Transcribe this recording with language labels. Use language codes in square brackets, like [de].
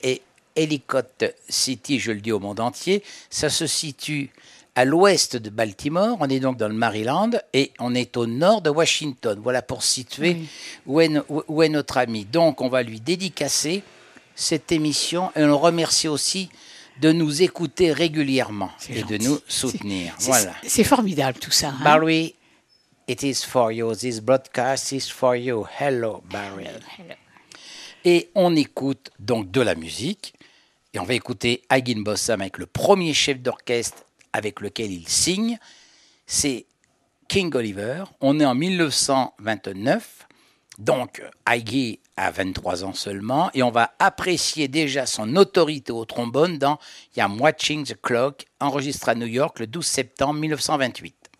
[fr] Et Ellicott City, je le dis au monde entier, ça se situe à l'ouest de Baltimore, on est donc dans le Maryland, et on est au nord de Washington, voilà pour situer où est notre ami. Donc on va lui dédicacer cette émission, et on le remercie aussi de nous écouter régulièrement c'est et gentil. De nous soutenir. Voilà. C'est formidable tout ça. Hein? [en] Barry, it is for you, this broadcast is for you. Hello, Barry. Hello. [fr] Et on écoute donc de la musique. Et on va écouter Higginbotham avec le premier chef d'orchestre avec lequel il signe. C'est King Oliver. On est en 1929. Donc, Higgy a 23 ans seulement. Et on va apprécier déjà son autorité au trombone dans « I'm Watching the Clock » enregistré à New York le 12 septembre 1928.